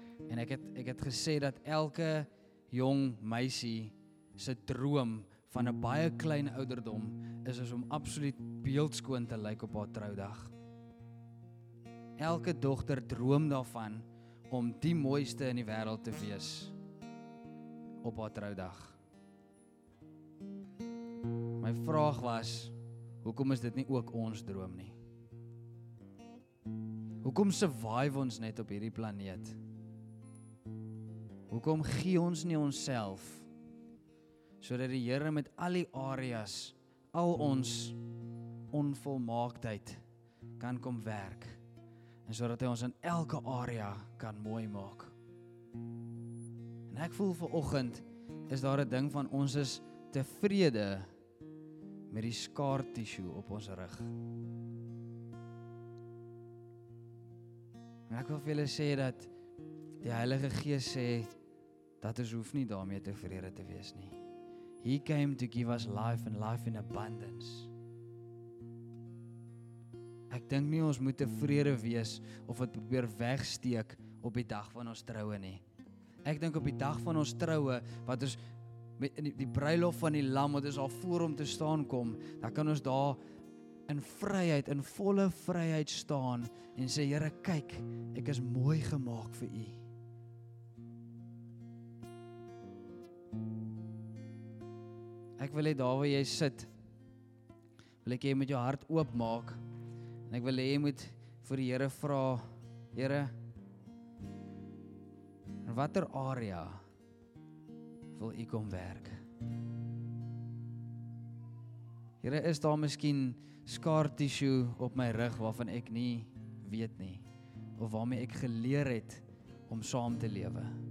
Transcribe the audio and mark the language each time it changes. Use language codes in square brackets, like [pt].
[af] En ek het gesê dat elke jong meisie se droom van 'n baie klein ouderdom is om absoluut beeldskoon te lyk op haar troudag. Elke dogter droom daarvan om die mooiste in die wêreld te wees op haar troudag. My vraag was, hoekom is dit nie ook ons droom nie? Hoekom survive ons net op hierdie planeet? Hoekom gee ons nie onsself sodat die Here met al die areas, al ons onvolmaaktheid kan kom werk en sodat hy ons in elke area kan mooi maak. En ek voel vanoggend is daar 'n ding van ons is tevrede met die scar tissue op ons rug. En ek wil vir julle sê dat die Heilige Gees sê dat ons hoef nie daarmee tevrede te wees nie. [en] He came to give us life and life in abundance. [af] Ek dink nie ons moet tevrede wees of het probeer wegsteek op die dag van ons troue nie. Ek dink op die dag van ons troue, wat ons met die bruilof van die lam, wat ons al voor om te staan kom, dan kan ons daar in vryheid, in volle vryheid staan en sê, Here, kyk, ek is mooi gemaak vir u. Ek wil hê daar waar jy sit, wil ek hê jy moet jou hart oopmaak. En ek wil hê jy moet vir die Here vra, Here, in watter area wil u kom werk? Here, is daar miskien scar tissue op my rug waarvan ek nie weet nie, of waarmee ek geleer het om saam te lewe?